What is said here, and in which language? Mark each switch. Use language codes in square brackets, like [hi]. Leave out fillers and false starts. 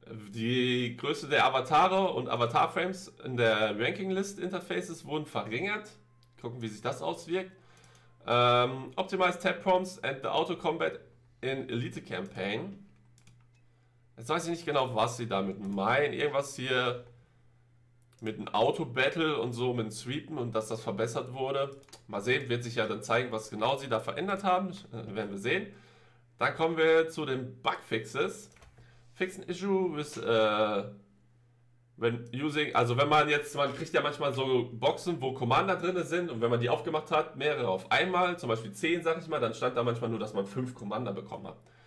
[de] Die Größe der Avatare und Avatar-Frames in der Ranking-List-Interfaces wurden verringert. Gucken, wie sich das auswirkt. [en] Optimized Tab-Prompts and the Auto-Combat in Elite-Campaign. [de] Jetzt weiß ich nicht genau, was sie damit meinen. Irgendwas hier mit einem Auto-Battle und so, mit dem Sweepen und dass das verbessert wurde. Mal sehen, wird sich ja dann zeigen, was genau sie da verändert haben. Werden wir sehen. Dann kommen wir zu den Bugfixes. [en] Fix an issue with when using, [de] also wenn man jetzt, man kriegt ja manchmal so Boxen, wo Commander drin sind und wenn man die aufgemacht hat, mehrere auf einmal, zum Beispiel 10, sag ich mal, dann stand da manchmal nur, dass man 5 Commander bekommen hat.